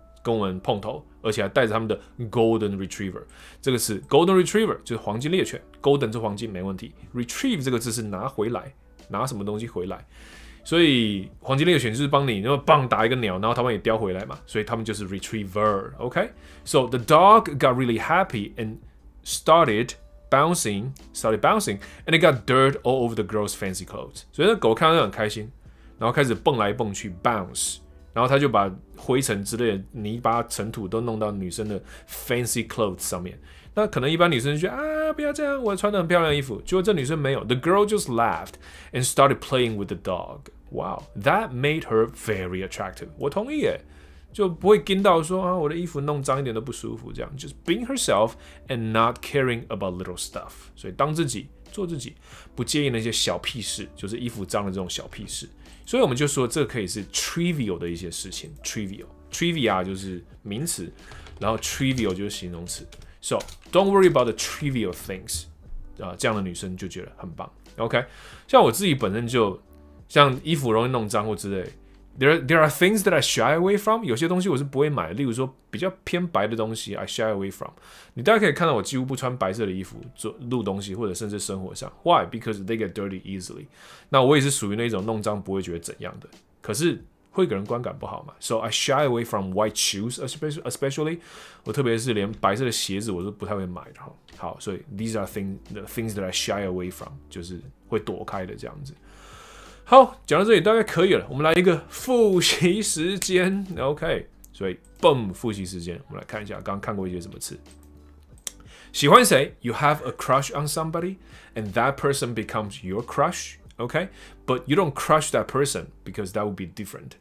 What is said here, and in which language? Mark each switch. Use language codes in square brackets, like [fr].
[zh] 跟我们碰头，而且还带着他们的 Golden Retriever， 这个是 Golden Retriever， 就是黄金猎犬。 Golden 是黄金，没问题。Retrieve 这个字是拿回来，拿什么东西回来。所以黄金猎犬就是帮你，那么棒打一个鸟，然后他们也叼回来嘛。所以他们就是 Retriever。 [en] OK， so the dog got really happy and started bouncing, and it got dirt all over the girl's fancy clothes。 [zh] 所以那狗看到很开心，然后开始蹦来蹦去 ，bounce。然后他就把灰尘之类的泥巴、尘土都弄到女生的 [en] fancy clothes [zh] 上面。那可能一般女生就觉得啊，不要这样，我穿得很漂亮的衣服。结果这女生没有 [en] ，the girl just laughed and started playing with the dog. Wow, that made her very attractive. [zh] 我同意耶，就不会惊到说啊，我的衣服弄脏一点都不舒服这样。 [en] Just being herself and not caring about little stuff. [zh] 所以当自己，做自己，不介意那些小屁事，就是衣服脏的这种小屁事。所以我们就说，这可以是 trivial 的一些事情。trivial 就是名词，然后 trivial 就是形容词。 [en] So don't worry about the trivial things。 [zh] 这样的女生就觉得很棒。 OK， 像我自己本身就像衣服容易弄脏或之类 ， [en] there are things that I shy away from。 [zh] 有些东西我是不会买的，例如说比较偏白的东西 ， [en] I shy away from。 [zh] 你大家可以看到我几乎不穿白色的衣服做录东西，或者甚至生活上。 [en] Why? Because they get dirty easily。 [zh] 那我也是属于那种弄脏不会觉得怎样的，可是会给人观感不好嘛。 [en] So I shy away from white shoes, especially。 [zh] 我特别是连白色的鞋子我都不太会买的。好，所以 [en] these are the things that I shy away from， [zh] 就是会躲开的这样子。好，讲到这里大概可以了，我们来一个复习时间。 OK， 所以 boom 复习时间，我们来看一下刚刚看过一些什么词。喜欢谁 [en] ？You have a crush on somebody, and that person becomes your crush. Okay, but you don't crush that person because that would be different.